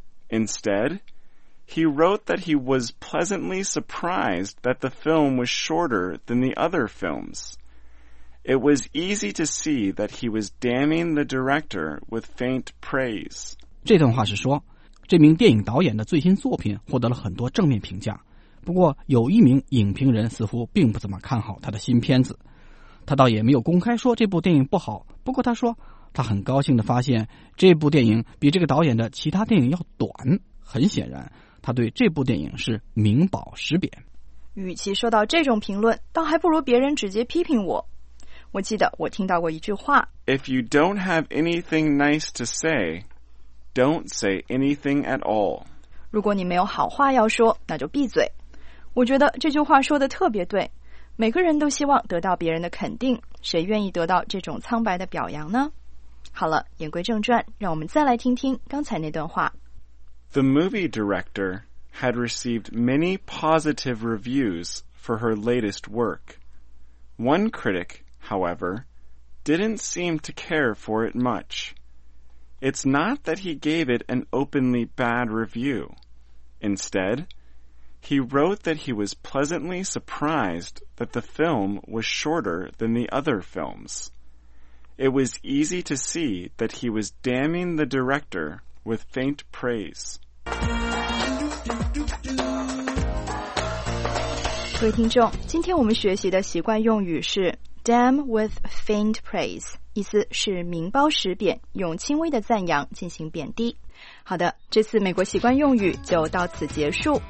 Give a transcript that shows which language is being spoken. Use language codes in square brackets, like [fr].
[en] Instead,He wrote that he was pleasantly surprised that the film was shorter than the other films. It was easy to see that he was damning the director with faint praise. [zh] 这段话是说，这名电影导演的最新作品获得了很多正面评价，不过有一名影评人似乎并不怎么看好他的新片子。他倒也没有公开说这部电影不好，不过他说，他很高兴地发现这部电影比这个导演的其他电影要短，很显然。他对这部电影是名褒实贬。与其受到这种评论，倒还不如别人直接批评我。我记得我听到过一句话 [en] If you don't have anything nice to say, don't say anything at all. [zh] 如果你没有好话要说，那就闭嘴。我觉得这句话说得特别对。每个人都希望得到别人的肯定，谁愿意得到这种苍白的表扬呢？好了，言归正传，让我们再来听听刚才那段话。 [en] The movie director had received many positive reviews for her latest work. One critic, however, didn't seem to care for it much. It's not that he gave it an openly bad review. Instead, he wrote that he was pleasantly surprised that the film was shorter than the other films. It was easy to see that he was damning the director with faint praise. [zh] 各位听众，今天我们学习的习惯用语是 [en] damn with faint praise， [zh] 意思是名褒实贬，用轻微的赞扬进行贬低。好的，这次美国习惯用语就到此结束。